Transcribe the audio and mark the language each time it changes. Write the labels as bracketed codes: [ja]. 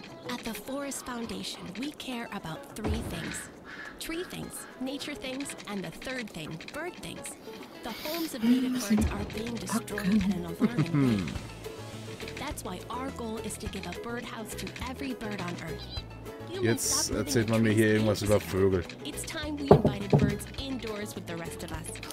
[en] At the Forest Foundation, we care about three things. Tree things, nature things, and the third thing, bird things. The homes of native birds are being destroyed in an alarming rate. That's why our goal is to give a birdhouse to every bird on Earth. [de] Jetzt erzählt man mir hier irgendwas über Vögel. [en] It's time we invited birds indoors with the rest of us.